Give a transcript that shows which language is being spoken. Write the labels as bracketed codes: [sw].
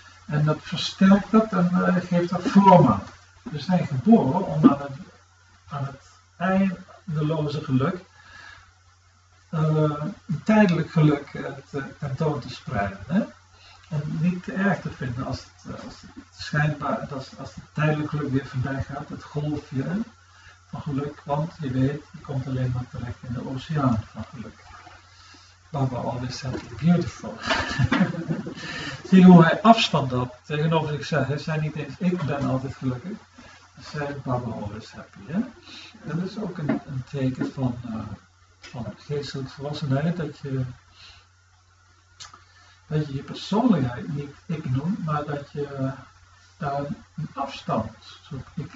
[nl] En dat versterkt dat en geeft dat vorm aan. We zijn geboren om aan het eindeloze geluk, tijdelijk geluk, tentoon te spreiden. Hè? En niet te erg te vinden als het tijdelijk geluk weer voorbij gaat, het golfje, hè, van geluk. Want je weet, je komt alleen maar terecht in de oceaan van geluk. [en] Baba always said it's beautiful. [nl] Zie hoe hij afstand had tegenover zichzelf. Hij zei niet eens, ik ben altijd gelukkig. Hij zei, [en] Baba always happy. [nl] Hè? En dat is ook een teken van geestelijk volwassenheid. Dat je je persoonlijkheid niet ik noemt, maar dat je daar een afstand zoekt.